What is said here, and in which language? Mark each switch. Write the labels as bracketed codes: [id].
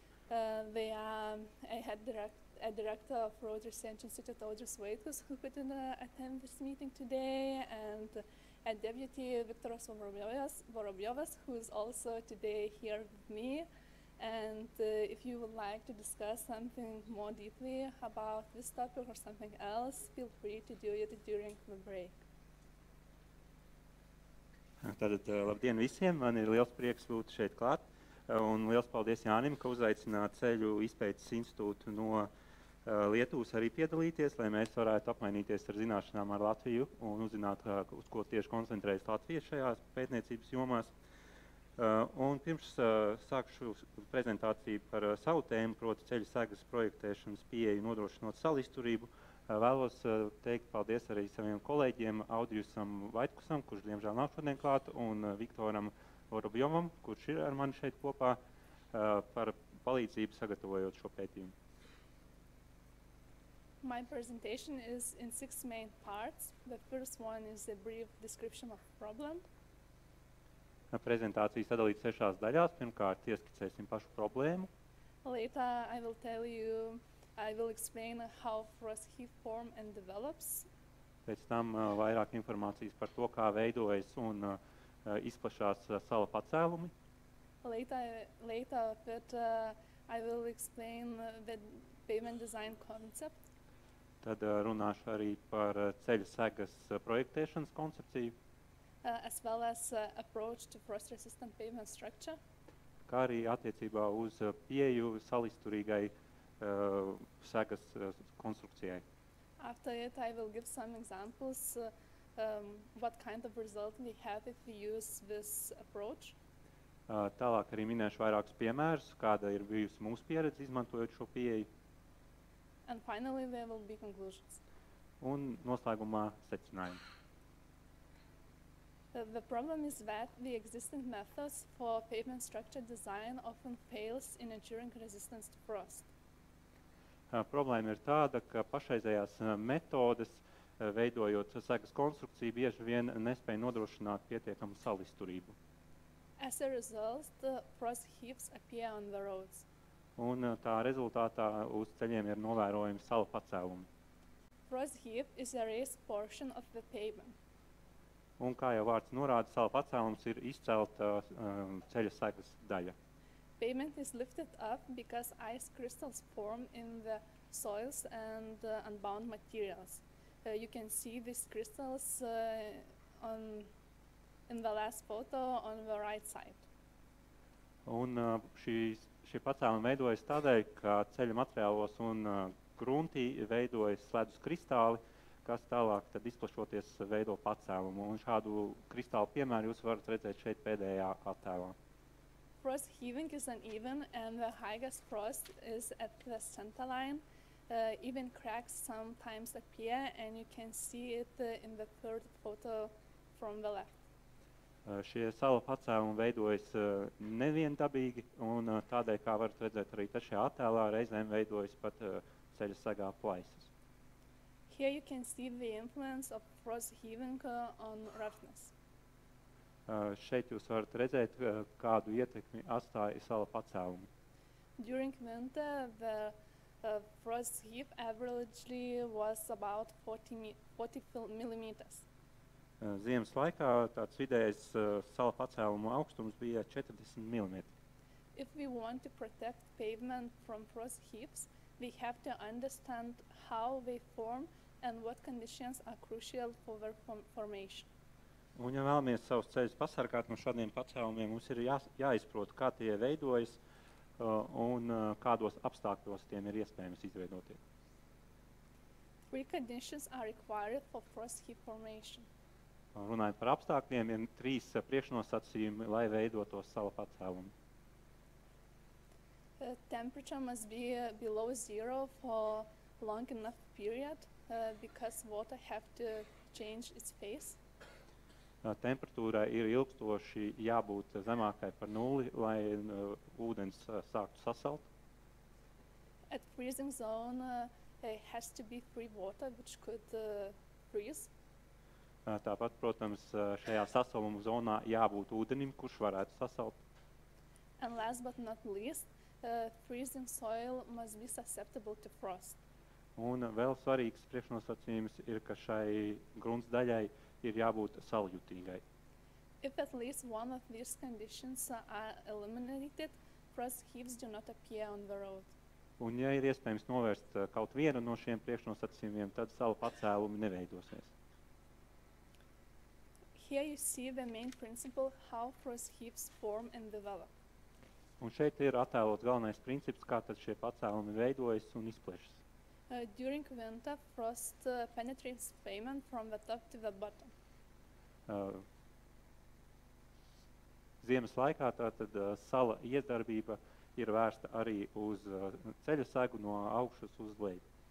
[en] They are a director of Road Research Institute, Audris Vaitkus, who couldn't attend this meeting today, and a deputy, Viktoras Vorobjovas, who is also today here with me. And if you would like to discuss something more deeply about this topic or something else, feel free to do it during the break. [lv] Tātad labdien visiem, man ir liels prieks būt šeit klāt un liels paldies Jānim, ka uzaicināt ceļu izpētes institūtu no Lietuvas arī piedalīties, lai mēs varētu apmainīties ar zināšanām ar Latviju un uzzināt, uz ko tieši koncentrējas Latvija šajās pētniecības jomās. Un pirms sākšu prezentāciju par savu tēmu, proti ceļa segas projektēšanas pieeju nodrošinot salisturību, vēlos teikt paldies arī saviem kolēģiem Audriusam Vaitkusam, kurš diemžēl nav šodien klāt, un Viktoram Vorobjovam, kurš ir ar mani šeit kopā, par palīdzību sagatavojot šo pētījumu. [en] My presentation is in 6 main parts. The first one is a brief description of problem. [lv] Prezentācija sadalīta sešās daļās. Pirmkārt, ieskicēsim pašu problēmu. [en] Later I will tell you, I will explain how frost heave form and develops. [lv] Pēc tam vairāk informācijas par to, kā veidojas un izplašās sala pacēlumi. [en] Later, I will explain the pavement design concept. [lv] Tad runāšu arī par ceļa segas projektēšanas koncepciju. [en] As well as approach to frost resistant pavement structure. [lv] Kā arī attiecībā uz pieju salisturīgai sekas konstrukcijai. [en] After it, I will give some examples what kind of result we have if we use this approach. [lv] Tālāk arī minēšu vairākus piemērus, kāda ir bijusi mūsu pieredze izmantojot šo pieeju. [en] And finally, there will be conclusions. [lv] Un noslēgumā secinājumi. [en] The problem is that the existing methods for pavement structure design often fails in ensuring resistance to frost. [lv] Problēma ir tāda, ka pašreizējās metodes, veidojot sekas konstrukciju, bieži vien nespēj nodrošināt pietiekamu salisturību. [en] As a result, the frost heaves appear on the roads. [lv] Un tā rezultātā uz ceļiem ir novērojami sala pacēlumi. [en] Frost heave is a raised portion of the pavement. [lv] Un kā jau vārds norāda, sala pacēlums ir izcelta ceļa segas daļa. [en] Pavement is lifted up because ice crystals form in the soils and unbound materials. You can see these crystals in the last photo on the right side. [lv] Un šie pacēlumi veidojas tādēļ, ka ceļa materiālos un gruntī veidojas ledus kristāli, kas tālāk tad izplašoties veido pacēlumu. Un šādu kristālu piemēru jūs varat redzēt šeit pēdējā attēlā. [en] Frost heaving is uneven and the highest frost is at the center line. Even cracks sometimes appear and you can see it in the third photo from the left. [lv] Šie sala pacēlumi veidojas neviendabīgi un tādēļ, kā varat redzēt arī tašajā attēlā, reizēm veidojas pat ceļa segā plaisas. [en] Here you can see the influence of frost heaving on roughness. [lv] Šeit jūs varat redzēt, kādu ietekmi atstāja sala pacēlumi. [en] During winter, the frost heave averagely was about 40 millimeters. [lv] Ziemas laikā tāds vidējais sala pacēlumu augstums bija 40 mm. [en] if we want to protect pavement from frost heaps, we have to understand how they form and what conditions are crucial for their formation. [lv] Un, ja vēlamies savus ceļus pasargāt no šādiem pacēlumiem, mums ir jāizprot, kā tie veidojas un kādos apstākļos tiem ir iespējams izveidoties. [en] Three conditions are required for frost heap formation. [lv] Runājot par apstākļiem, ir trīs priekšnosacījumi, lai veidotos sava pacēluma. [en] Temperature must be below zero for long enough period, because water have to change its phase. [lv] Temperatūrai ir ilgstoši jābūt zemākai par nuli, lai ūdens sāktu sasalt. [en] At freezing zone, it has to be free water, which could freeze. [lv] Tāpat, protams, šajā sasaluma zonā jābūt ūdenim, kurš varētu sasalt. [en] And last but not least, freezing soil must be susceptible to frost. [lv] Un vēl svarīgs priekšnosacījums ir, ka šai grunts daļai ir jābūt saljutīgai. [en] If at least one of these conditions are eliminated, frost heaps do not appear on the road. [lv] Un ja ir iespējams novērst kaut vienu no šiem priekšnosacījumiem, tad sala pacēlumi neveidosies. [en] Here you see the main principle how frost heaps form and develop. [lv] Un šeit ir attēlots galvenais princips, kā tad šie pacēlumi veidojas un izplešas. [en] During winter, frost penetrates pavement from the top to the bottom. [lv] Ziemas laikā tātad sala iedarbība ir vērsta arī uz ceļa segu no augšas uz leju.